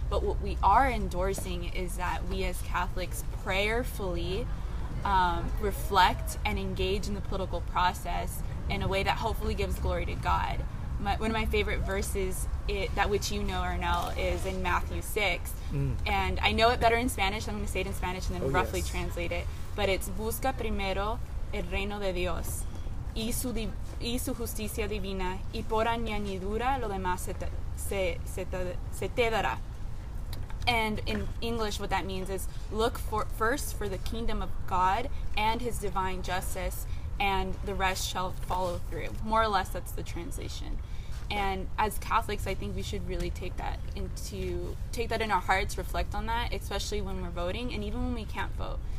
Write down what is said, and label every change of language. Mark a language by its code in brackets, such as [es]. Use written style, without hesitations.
[en] But what we are endorsing is that we as Catholics prayerfully reflect and engage in the political process in a way that hopefully gives glory to God. One of my favorite verses, that which you know, Arnell, is in Matthew 6. Mm. And I know it better in Spanish. I'm going to say it in Spanish and then roughly translate it. But it's [es] busca primero el reino de Dios y su justicia divina, y por añadidura lo demás se te dará. [en] And in English, what that means is look first for the kingdom of God and his divine justice, and the rest shall follow through. More or less, that's the translation. And as Catholics, I think we should really take that in our hearts, reflect on that, especially when we're voting and even when we can't vote.